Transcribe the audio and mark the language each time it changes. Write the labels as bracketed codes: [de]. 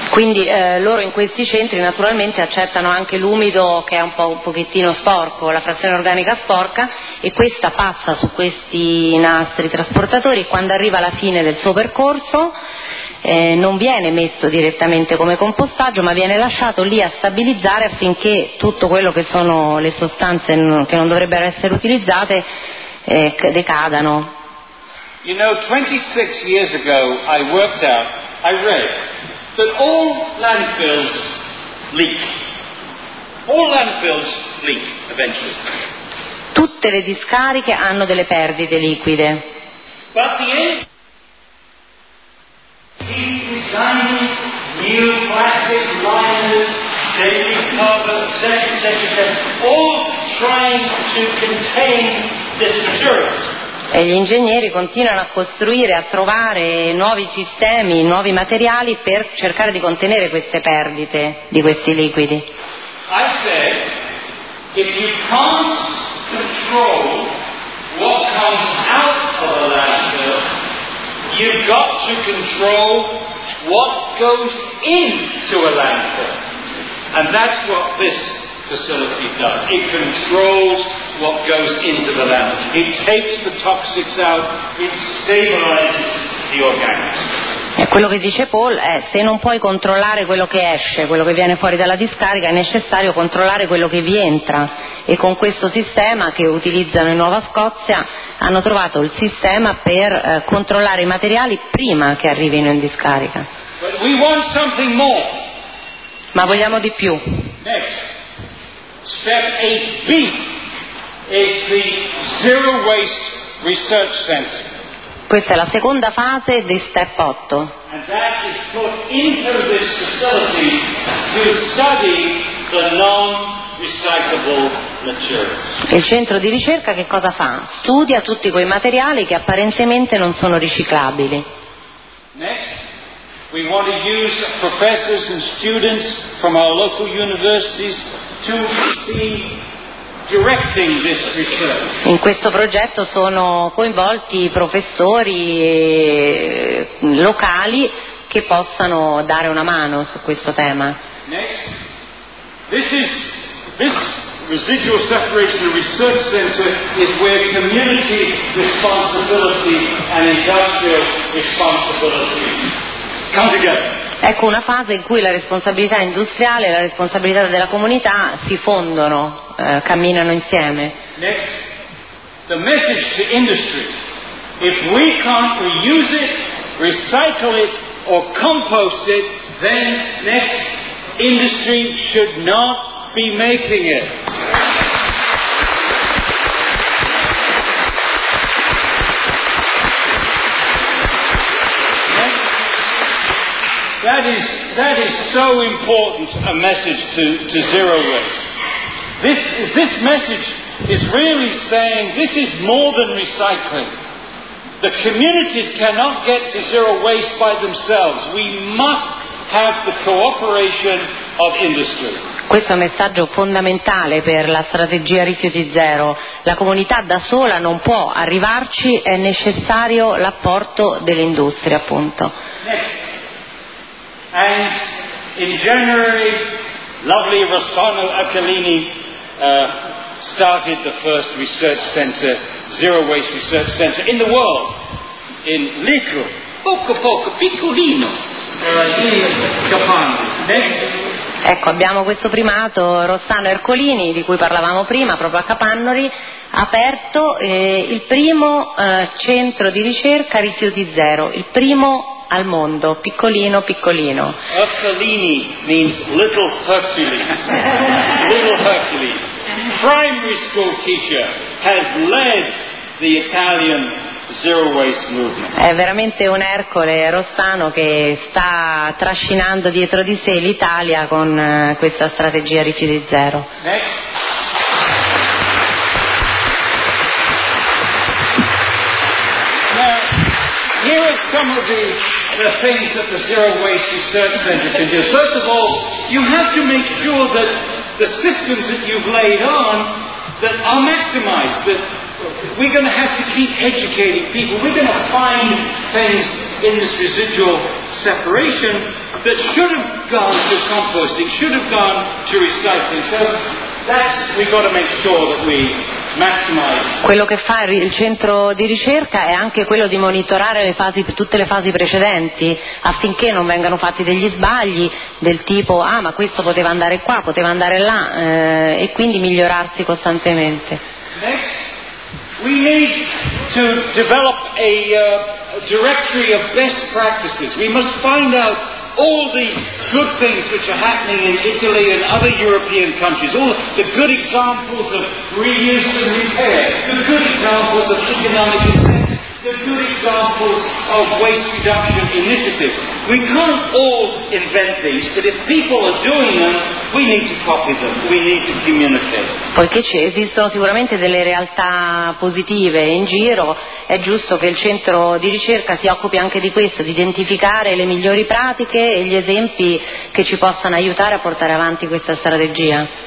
[it] Quindi loro in questi centri naturalmente accettano anche l'umido che è un pochettino sporco, la frazione organica sporca, e questa passa su questi nastri trasportatori e quando arriva alla fine del suo percorso non viene messo direttamente come compostaggio, ma viene lasciato lì a stabilizzare affinché tutto quello che sono le sostanze che non dovrebbero essere utilizzate decadano. [en] You know, 26 years ago I worked out, I read that all landfills leak. All landfills leak eventually. [it] Tutte le discariche hanno delle perdite liquide. [en] But the engineers designed new plastic liners, daily cover, etc. All trying to contain this material. [it] E gli ingegneri continuano a costruire, a trovare nuovi sistemi, nuovi materiali per cercare di contenere queste perdite di questi liquidi. [en] I said, if you can't control what comes out of the landfill, you've got to control what goes into a landfill. And that's what this facility does. It controls what goes into the landfill. It takes the toxics out, it stabilizes the organics. [it] E quello che dice Paul è: se non puoi controllare quello che esce, quello che viene fuori dalla discarica, è necessario controllare quello che vi entra. E con questo sistema che utilizzano in Nuova Scozia hanno trovato il sistema per controllare i materiali prima che arrivino in discarica. [en] But we want something more. [it] Ma vogliamo di più. [en] Next. Step 8B is the Zero Waste Research Center. [it] Questa è la seconda fase di step 8. [en] And that is put into this facility to study the non-recyclable materials. [it] Il centro di ricerca che cosa fa? Studia tutti quei materiali che apparentemente non sono riciclabili. [en] Next. We want to use professors and students from our local universities to be directing this research. [it] In questo progetto sono coinvolti professori locali che possano dare una mano su questo tema. [en] Next. This residual separation of research center is where community responsibility and industrial responsibility come together. [it] Ecco una fase in cui la responsabilità industriale e la responsabilità della comunità si fondono, camminano insieme. [en] Next, the message to industry: if we can't reuse it, recycle it, or compost it, then next, industry should not be making it. That is so important, a message to zero waste. This message is really saying this is more than recycling. The communities cannot get to zero waste by themselves. We must have the cooperation of industry. [it] Questo è un messaggio fondamentale per la strategia Rifiuti Zero. La comunità da sola non può arrivarci, è necessario l'apporto dell'industria, appunto. [en] Next. And in January, lovely Rossano Accolini started the first research center, zero waste research center in the world, in Lico, [it] poco poco, piccolino, [en] in Japan. [it] Ecco, abbiamo questo primato, Rossano Ercolini, di cui parlavamo prima, proprio a Capannori, ha aperto il primo centro di ricerca Rifiuti Zero, il primo al mondo, piccolino, piccolino. [en] Ercolini means little Hercules. Little Hercules. Primary school teacher has led the Italian zero waste movement. [it] È veramente un Ercole Rossano che sta trascinando dietro di sé l'Italia con questa strategia Rifiuti Zero. [en] Next. Now, here are some of the things that the Zero Waste Research Center can do. First of all, you have to make sure that the systems that you've laid on that are maximized, that we're going to have to keep educating people. We're going to find things in this residual separation that should have gone to composting, should have gone to recycling. So that's, we've got to make sure that we maximize. [it] Quello che fa il centro di ricerca è anche quello di monitorare le fasi, tutte le fasi precedenti, affinché non vengano fatti degli sbagli del tipo ah, ma questo poteva andare qua, poteva andare là, e quindi migliorarsi costantemente. [en] Next. We need to develop a directory of best practices. We must find out all the good things which are happening in Italy and other European countries, all the good examples of reuse and repair, the good examples of economic incentives, the good examples of waste reduction initiatives. We can't all invent these, but if people are doing them, we need to copy them, we need to communicate. [it] Poiché ci esistono sicuramente delle realtà positive in giro, è giusto che il centro di ricerca si occupi anche di questo, di identificare le migliori pratiche e gli esempi che ci possano aiutare a portare avanti questa strategia.